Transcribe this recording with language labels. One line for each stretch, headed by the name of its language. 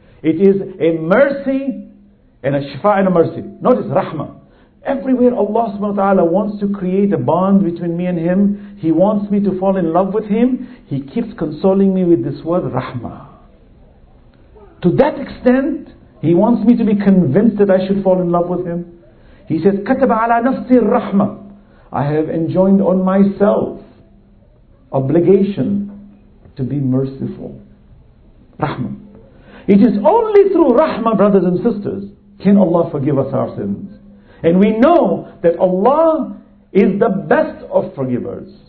English: It is a mercy and a shifa and a mercy. Notice, rahmah. Everywhere Allah subhanahu wa ta'ala wants to create a bond between me and Him, He wants me to fall in love with Him, He keeps consoling me with this word, rahmah. To that extent, He wants me to be convinced that I should fall in love with Him. He says,
Arabic: كَتَبَ عَلَى نَفْسِ الرَّحْمَةِ.
English: I have enjoined on myself obligation to be merciful. Rahmah. It is only through rahmah, brothers and sisters, can Allah forgive us our sins. And we know that Allah is the best of forgivers.